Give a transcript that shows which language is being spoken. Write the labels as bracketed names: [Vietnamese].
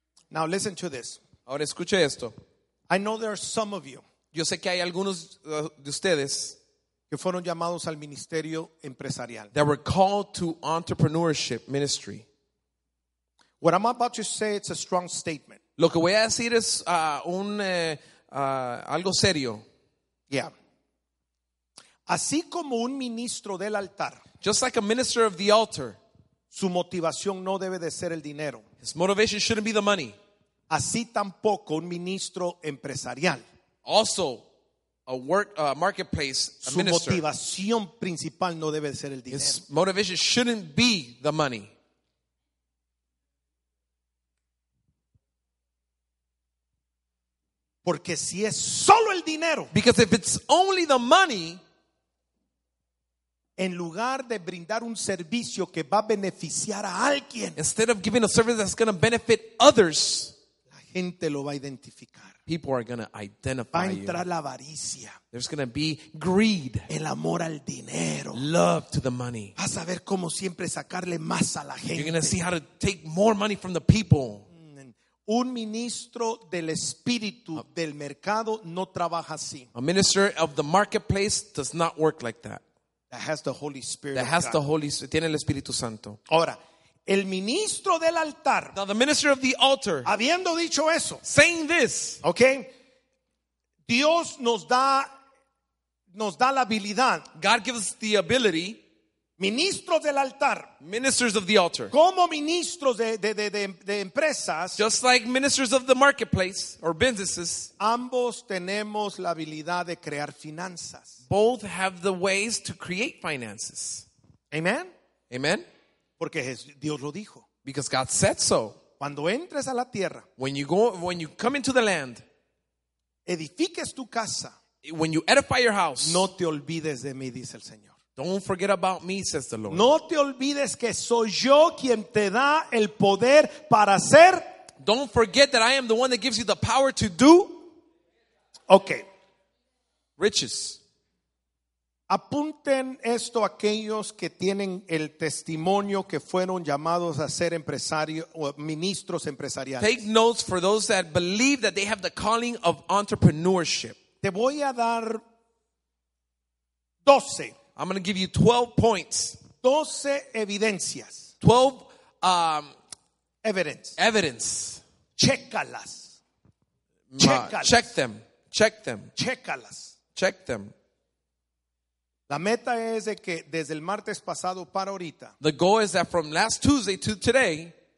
[English] Now listen to this. [Spanish] Ahora escuche esto. [English] I know there are some of you. [Spanish] Yo sé que hay algunos de ustedes que fueron llamados al ministerio empresarial. [English] That were called to entrepreneurship ministry. What I'm about to say, it's a strong statement. [Spanish] Lo que voy a decir es algo serio. [English] Yeah. [Spanish] Así como un ministro del altar. [English] Just like a minister of the altar. [Spanish] Su motivación no debe de ser el dinero. [English] His motivation shouldn't be the money. [Spanish] Así tampoco un ministro empresarial. [English] Also, a work marketplace [Spanish] su [English] minister. [Spanish] Motivación principal no debe ser el dinero. [English] His motivation shouldn't be the money. [Spanish] Porque si es solo el dinero, [English] because if it's only the money, [Spanish] en lugar de brindar un servicio que va a beneficiar a alguien, [English] instead of giving a service that's going to benefit others, [Spanish] la gente lo va a identificar. [English] People are going to identify you. [Spanish] Va a entrar la avaricia. [English] There's going to be greed. [Spanish] El amor al dinero. [English] Love to the money. [Spanish] Vas a ver cómo siempre sacarle más a la gente. [English] You're going to see how to take more money from the people. [Spanish] Un ministro del espíritu del mercado no trabaja así. [English] A minister of the marketplace does not work like that. That has the Holy Spirit. That has the Holy Spirit. [Spanish] Tiene el Espíritu Santo. Ahora, el ministro del altar. [English] Now the minister of the altar. [Spanish] Habiendo dicho eso. [English] Saying this. Okay. [Spanish] Dios nos da la habilidad. [English] God gives the ability. [Spanish] Ministros del altar. [English] Ministers of the altar. [Spanish] Como ministros de empresas. [English] Just like ministers of the marketplace or businesses. [Spanish] Ambos tenemos la habilidad de crear finanzas. [English] Both have the ways to create finances. Amen. Amen. [Spanish] Porque Dios lo dijo. [English] Because God said so. [Spanish] Cuando entres a la tierra. [English] When you come into the land. [Spanish] Edifiques tu casa. [English] When you edify your house. [Spanish] No te olvides de mí, dice el Señor. [English] Don't forget about me, says the Lord. [Spanish] No te olvides que soy yo quien te da el poder para hacer. [English] Don't forget that I am the one that gives you the power to do. Okay. Riches. [Spanish] Apunten esto aquellos que tienen el testimonio que fueron llamados a ser empresarios o ministros empresariales. [English] Take notes for those that believe that they have the calling of entrepreneurship. [Spanish] Te voy a dar 12. [English] I'm going to give you 12 points. [Spanish] 12 evidencias. [English] 12 evidence. [Spanish] Checkalas. [English] Check them. Check them. [Spanish] Checkalas. [English] Check them. [Spanish] La meta es de que desde el martes pasado para ahorita. [English] The goal is that from last Tuesday to today.